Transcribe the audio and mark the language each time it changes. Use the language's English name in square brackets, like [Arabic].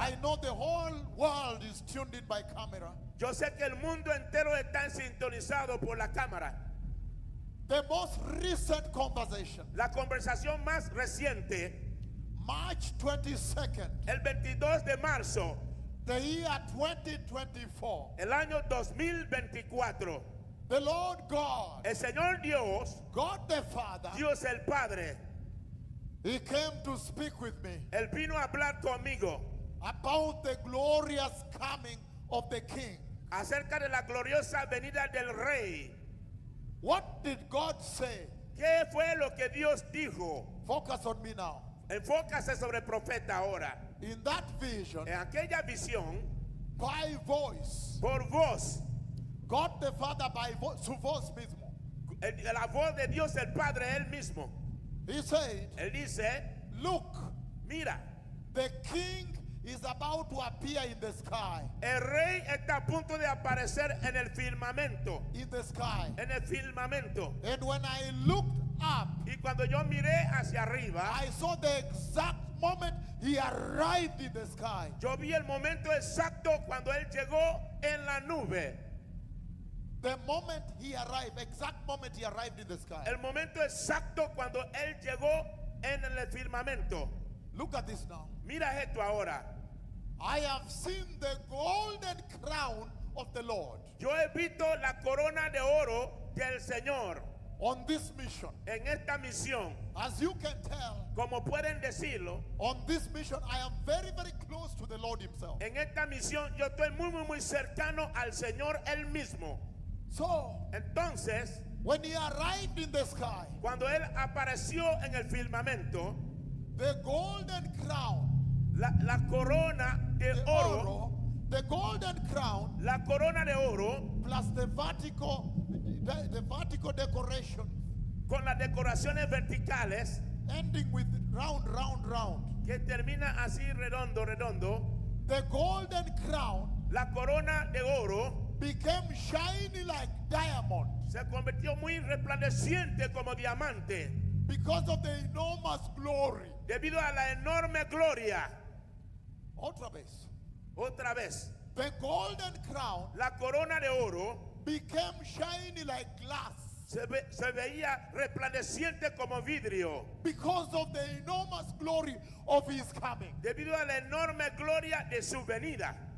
[English] I know the whole world is tuned in by camera. [Spanish] Yo sé que el mundo entero está sintonizado por la cámara. [English] The most recent conversation. [Spanish] La conversación más reciente. [English] March 22nd. [Spanish] El 22 de marzo. [English] The year 2024. [Spanish] El año 2024. [English] The Lord God. [Spanish] El Señor Dios. [English] God the Father. [Spanish] Dios el Padre. [English] He came to speak with me. [Spanish] Él vino a hablar conmigo. [English] About the glorious coming of the King. [Spanish] Acerca de la gloriosa venida del Rey. [English] What did God say? [Spanish] ¿Qué fue lo que Dios dijo? [English] Focus on me now. [Spanish] Enfócase sobre el profeta ahora. [English] In that vision, [Spanish] en aquella visión, [English] by voice, [Spanish] por voz, [English] God the Father by voice, [Spanish] su voz mismo, la voz de Dios el Padre él mismo. [English] He said, [Spanish] él dice, [English] look, [Spanish] mira, [English] the King is about to appear in the sky. [Spanish] El Rey está a punto de aparecer en el firmamento. [English] In the sky. [Spanish] En el firmamento. [English] And when I looked up, [Spanish] y cuando yo miré hacia arriba, [English] I saw the exact moment he arrived in the sky. [Spanish] Yo vi el momento exacto cuando él llegó en la nube. [English] The moment he arrived, exact moment he arrived in the sky. [Spanish] El momento exacto cuando él llegó en el firmamento. [English] Look at this now. [Spanish] Mira esto ahora. [English] I have seen the golden crown of the Lord. [Spanish] Yo he visto la corona de oro del Señor. [English] On this mission, [Spanish] en esta misión, [English] as you can tell, [Spanish] como pueden decirlo, [English] on this mission I am very, very close to the Lord Himself. [Spanish] En esta misión yo estoy muy, muy, muy cercano al Señor él mismo. [English] So, [Spanish] entonces, [English] when He arrived in the sky, [Spanish] cuando él apareció en el firmamento, [English] the golden crown, [Spanish] la corona de oro, [English] the golden crown, [Spanish] la corona de oro, [English] plus the vertical. The vertical decoration, [Spanish] con las decoraciones verticales, [English] ending with round, round, round, [Spanish] que termina así redondo, redondo. [English] The golden crown, [Spanish] la corona de oro, [English] became shiny like diamond, [Spanish] se convirtió muy resplandeciente como diamante, [English] because of the enormous glory, [Spanish] debido a la enorme gloria. Otra vez, otra vez. [English] The golden crown, [Spanish] la corona de oro, [English] became shiny like glass. [Spanish] Se veía resplandeciente como vidrio. [English] Because of the enormous glory of his coming. [Spanish] Debido a la enorme gloria de su venida.